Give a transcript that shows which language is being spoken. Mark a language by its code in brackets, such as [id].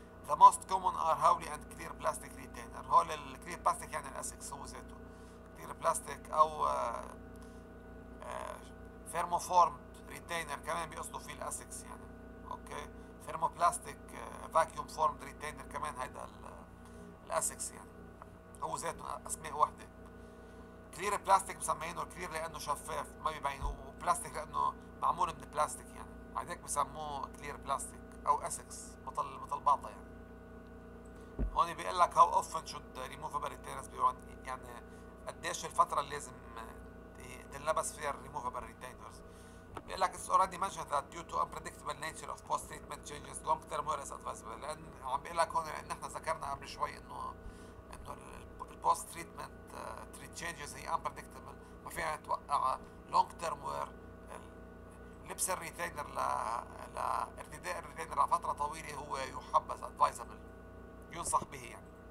[en] The most common are Hawley and clear plastic retainers. [ar] هول ال clear plastic يعني Asics هو ذاته. Clear plastic أو thermoformed retainer كمان بيقصدوا فيه Asics يعني. أوكي. Thermoplastic vacuum formed retainer كمان هذا ال Asics يعني. هو ذاته أسماء واحدة. كلير بلاستيك بسميينه كلير لأنه شفاف ما بيبينه، وبلاستيك لأنه معمول من البلاستيك يعني، عادك بسموه كلير بلاستيك أو أسكس مطل بعضه يعني. هوني بيقول لك [en] how often should removable retainers be worn، [ar] يعني قديش الفترة اللي لازم تلبس فيها removable retainers. بيقول لك [en] it's already mentioned that due to unpredictable nature of post-treatment changes long term wear is advisable. [ar] لأن عم بيقول لك هون إن إحنا ذكرنا قبل شوي إنه post-treatment treat changes هي unpredictable، ما فيها توقعها. long term wear لبس الريتينر لارتداء الريتينر لفترة طويلة هو يحبذ advisable، ينصح به يعني.